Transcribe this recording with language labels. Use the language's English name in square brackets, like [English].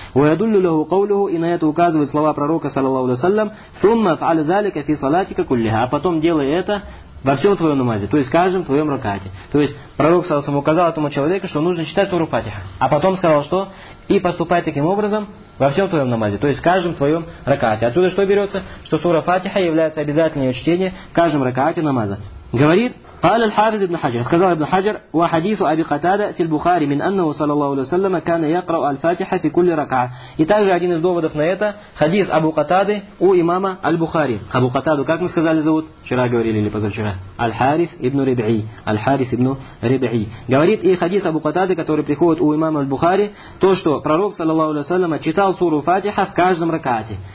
[Arabic] «Ваядуллю лаху каулюху», [Russian] и на это указывают слова пророка, саллаллаху алейхи ва саллям, [Arabic] «Сумма фааль залика фи салатика куллиха», [Russian] а потом делай это во всем твоем намазе, то есть в каждом твоем ракате. То есть пророк саллаллаху алейхи ва саллям указал этому человеку, что нужно читать суру Фатиха, а потом сказал, что и поступай таким образом во всем твоем намазе, то есть в каждом твоем ракате. Отсюда что берется? Что сура Фатиха является обязательным чтение в каждом ракате намаза. Говорит, [Arabic] قال الحافظ ابن حجر [Russian] сказал [Arabic] ابن حجر وحديث أبي قتادة في البخاري من أنه صلى الله عليه وسلم كان يقرأ الفاتحة في كل ركعة. [Russian] И также один из доводов на это хадис Абу Катады у имама Аль-Бухари. Абу Катаду, как мы сказали, зовут? Вчера говорили или позавчера? Аль-Харис ибн Риби'и. Аль-Харис ибн Риби'и. Говорит, и хадис Абу Катады, который приходит у имама Аль-Бухари, то, что пророк [Arabic] صلى الله عليه وسلم [Russian] читал суру Фатиха в каждом ракате.